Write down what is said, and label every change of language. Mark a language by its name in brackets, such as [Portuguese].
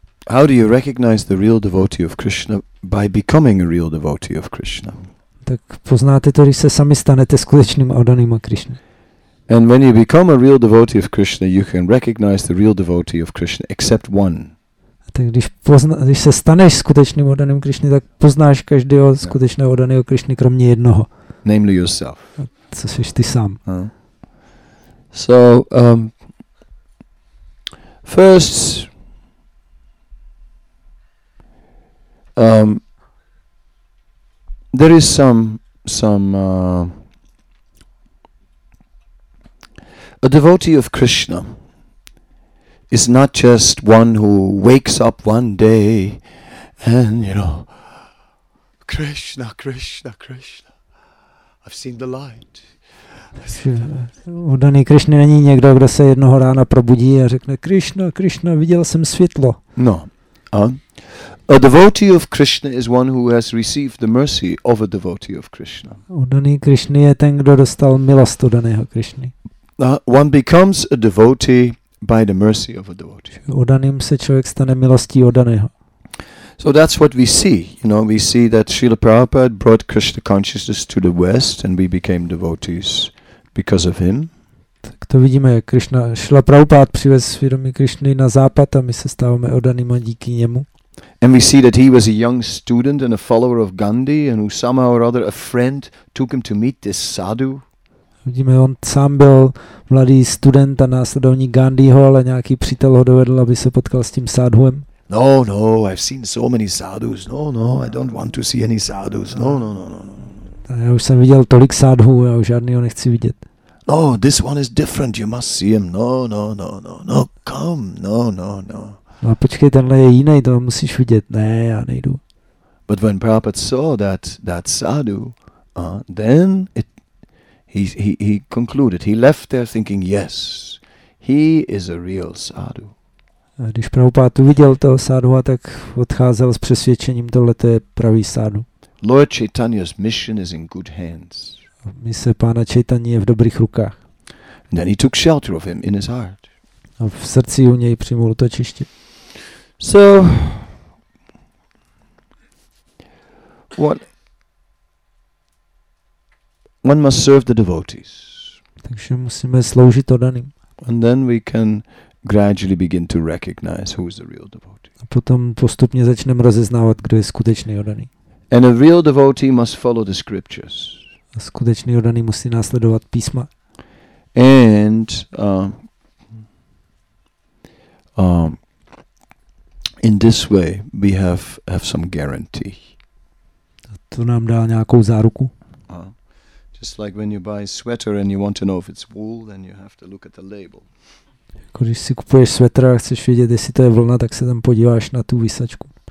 [English] How do you recognize the real devotee of Krishna by becoming a real devotee of Krishna? [Czech] Tak poznáte to, když se sami stanete skutečným oddaným Krišny. [English] And when you become a real devotee of Krishna, you can recognize the real devotee of Krishna except one. [Czech] Tak když se staneš skutečným oddaným Krišny, tak poznáš každého skutečného oddaného Krišny kromě jednoho. [English] Namely yourself. [Czech] Co jsi ty sám. [English] So, first, there is some a devotee of Krishna is not just one who wakes up one day and, you know, Krishna, Krishna, Krishna, I've seen the light. [Czech] Oddaný Krišna není někdo, kdo se jednoho rána probudí a řekne Krišna, Krišna, viděl jsem světlo. [English] No. A devotee of Krishna is one who has received the mercy of a devotee of Krishna. [Czech] Oddaný Krišna je ten, kdo dostal milost oddaného Krišny. [English] One becomes a devotee by the mercy of a devotee. [Czech] Oddaným se člověk stane milostí oddaného. [English] So that's what we see. You know, we see that Srila Prabhupada brought Krishna consciousness to the West and we became devotees because of him. [Czech] Tak to vidíme, jak Krishna, Srila Prabhupada přivez svědomí Krišny na západ a my se stáváme oddanými díky němu. [English] And we see that he was a young student and a follower of Gandhi and who somehow or other a friend took him to meet this sadhu. [Czech] Vidíme, on sám byl mladý student a následovník Gandhiho, ale nějaký přítel ho dovedl, aby se potkal s tím sadhuem. [English] No, no, I've seen so many sadhus. No, no, I don't want to see any sadhus. No, no, no, no, no. [Czech] Já už jsem viděl tolik sadhů, já už žádnýho nechci vidět. [English] No, this one is different, you must see him. No, no, no, no, no, come, no, no, no. [Czech] No počkej, tenhle je jiný, to musíš vidět. Ne, já nejdu. [English] But when Prabhupada saw that sadhu, then he concluded, he left there thinking, yes, he is a real sadhu. [Czech] A když Prabhupád uviděl toho sádhuva, tak odcházel s přesvědčením, tohle to je pravý sádhu. [English] Lord Chaitanya's mission is in good hands. [Czech] Mise pána Chaitanya je v dobrých rukách. [English] Then he took shelter of him in his heart. [Czech] A v srdci u něj přijmul útočiště. [English] So, one must serve the devotees. [Czech] Takže musíme sloužit oddaným. [English] And then we can gradually begin to recognize who is the real devotee. [Czech] A potom postupně začneme rozeznávat, kdo je skutečný oddaný. [English] And a real devotee must follow the scriptures. [Czech] A skutečný oddaný musí následovat písma. [English] And in this way we have some guarantee. [Czech] A to nám dá nějakou záruku. [English] Just like when you buy a sweater and you want to know if it's wool, then you have to look at the label. [Czech] Když si kupuješ svetr a chceš vědět, jestli to je vlna, tak se tam podíváš na tu visačku.